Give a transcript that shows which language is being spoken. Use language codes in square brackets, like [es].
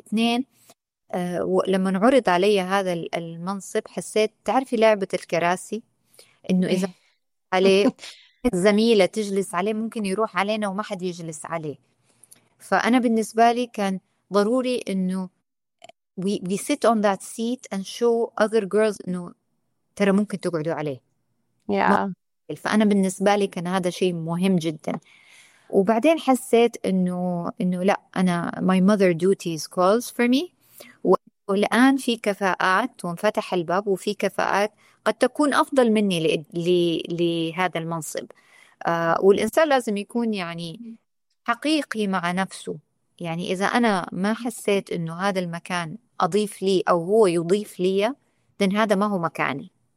[ar] اثنين، ولما عرض علي هذا المنصب حسيت، تعرفي لعبة الكراسي، إنه إذا عليه زميلة تجلس عليه ممكن يروح علينا وما حد يجلس عليه. فأنا بالنسبة لي كان ضروري إنه [en] we sit on that seat and show other girls [ar] إنه ترى ممكن تقعدوا عليه. فأنا بالنسبة لي كان هذا شيء مهم جدا. وبعدين حسيت إنه لا، أنا [en] my mother duties calls for me. [ar] والآن في كفاءات، وانفتح الباب، وفي كفاءات قد تكون أفضل مني لهذا المنصب. والإنسان لازم يكون يعني حقيقي مع نفسه، يعني إذا أنا ما حسيت إنه هذا المكان أضيف لي أو هو يضيف لي، then هذا ما هو مكاني.